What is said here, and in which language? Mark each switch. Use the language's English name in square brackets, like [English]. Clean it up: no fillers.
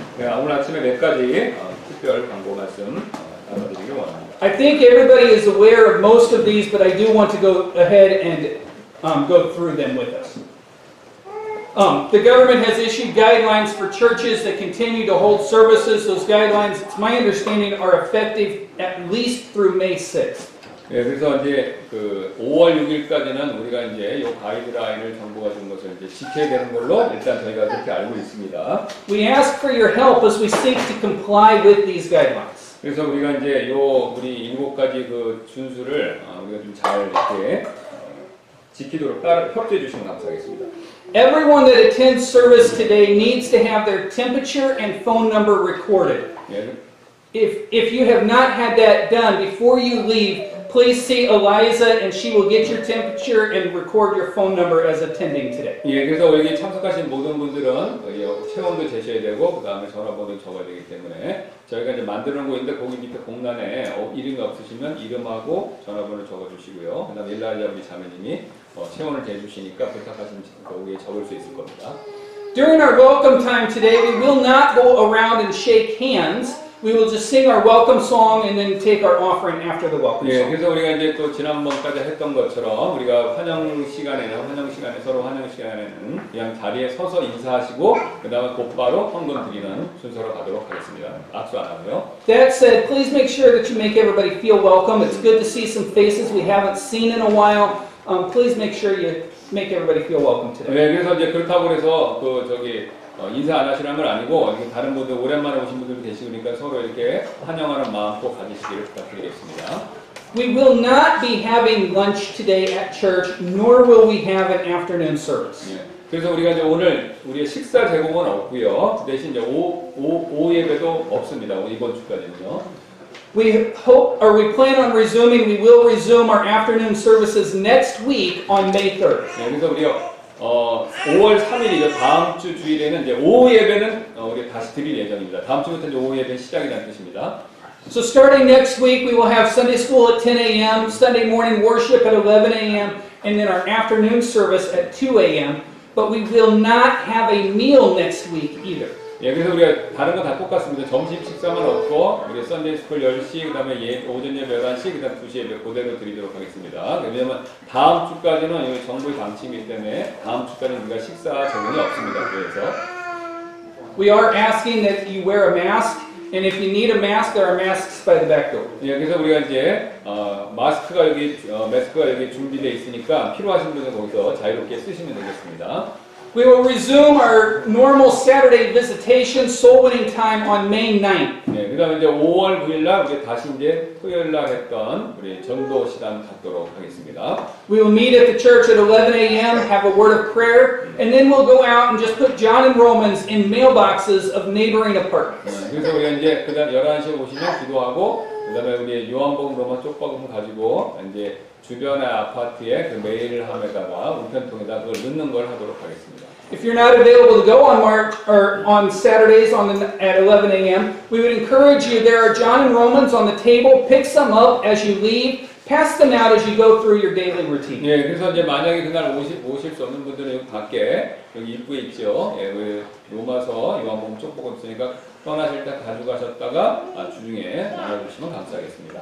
[Korean] 오늘 아침에 몇 가지 특별 광고 말씀 나눠드리기 원합니다. [English] I think everybody is aware of most of these, but I do want to go ahead and go through them with us. The government has issued guidelines for churches that continue to hold services. Those guidelines, it's my understanding, are effective at least through May 6th. [Korean] 예, 그래서 이제 5월 6일까지는 우리가 이제 이 가이드라인을 정부가 준 것을 이제 지켜야 되는 걸로 일단 저희가 그렇게 알고 있습니다. [English] We ask for your help as we seek to comply with these guidelines. [Korean] 그래서 우리가 이제 요 우리 일곱 가지 그 준수를 우리가 좀 잘 이렇게 지키도록 협조해 주시면 감사하겠습니다. [English] Everyone that attends service today needs to have their temperature and phone number recorded. If you have not had that done before you leave, please see Eliza and she will get your temperature and record your phone number as attending today. [Korean] 예, 그래서 여기 참석하신 모든 분들은 체온도 재셔야 되고 그다음에 전화번호 적어야 되기 때문에 저희가 이제 만들어 놓은 건데 거기 밑에 공간에 이름이 없으시면 이름하고 전화번호 적어 주시고요. 그다음에 일라이자 우리 자매님이 체온을 재 주시니까 부탁하시면 거기에 적을 수 있을 겁니다. [English] During our welcome time today, we will not go around and shake hands. We will just sing our welcome song and then take our offering after the welcome song. [Korean] 예, 그래서 우리가 이제 또 지난번까지 했던 것처럼 우리가 환영 시간에 서로 환영 시간에는 그냥 자리에 서서 인사하시고 그다음에 곧바로 헌금 드리는 순서로 가도록 하겠습니다. 악수 안 하고요. [English] That said, please make sure that you make everybody feel welcome. It's good to see some faces we haven't seen in a while. Please make sure you make everybody feel welcome today. [Korean] 네, 그래서 이제 그렇다고 해서 그 저기 인사 안 하시는 건 아니고 다른 분들 오랜만에 오신 분들도 계시니까 서로 이렇게 환영하는 마음 꼭 가지시기를 부탁드리겠습니다. [English] We will not be having lunch today at church, nor will we have an afternoon service. [Korean] 예, 그래서 우리가 이제 오늘 우리의 식사 제공은 없고요. 대신 이제 오후 예배도 없습니다. 이번 주까지는요. [English] We hope, or we plan on resuming. We will resume our afternoon services next week on May 3rd. [Korean] 예, 그래서 우리요. 5월 3일이죠. 다음 주 주일에는 이제 오후 예배는 우리 다시 드릴 예정입니다. 다음 주부터 이제 오후 예배 시작이라는 뜻입니다. [English] So starting next week, we will have Sunday school at 10 a.m., Sunday morning worship at 11 a.m., and then our afternoon service at 2 a.m. But we will not have a meal next week either. [Korean] 예, 그래서 우리가 다른 건 다 똑같습니다. 점심 식사만 없고 우리 Sunday school 10시, 그다음에 오전 예배 11시, 그다음 2시 예배 그대로 드리도록 하겠습니다. 왜냐하면 다음 주까지는 이 정부의 방침이기 때문에 다음 주까지는 우리가 식사 제공이 없습니다. 그래서 [English] We are asking that you wear a mask, and if you need a mask, there are masks by the back door. [Korean] 예, 그래서 우리가 이제 마스크가 여기 준비돼 있으니까 필요하신 분은 거기서 자유롭게 쓰시면 되겠습니다. [English] We will resume our normal Saturday visitation soul winning time on May 9th. [Korean] 네, 그다음 이제 5월 9일 날 이제 다시 이제 토요일 날 했던 우리 전도 시간 갖도록 하겠습니다. [English] We will meet at the church at 11 a.m. have a word of prayer and then we'll go out and just put John and Romans in mailboxes of neighboring apartments. [Korean] 네, 그래서 우리가 이제 그다음 11시에 오시면 기도하고 그다음에 우리 요한복음 로마 쪽박음을 가지고 이제 주변의 아파트에 그 메일을 함에다가 우편통에다 그걸 넣는 걸 하도록 하겠습니다. [English] If you're not available to go on March or on Saturdays at 11 a.m., we would encourage you. There are John and Romans on the table. Pick some up as you leave. Pass them out as you go through your daily routine. [Korean] 예, 그래서 이제 만약에 그날 오실 수 없는 분들은 밖에 여기 입구에 있죠. 예, 그 로마서 요한복음 쪽보고 있으니까. 떠나실 때 가져가셨다가 주중에 나눠주시면 감사하겠습니다.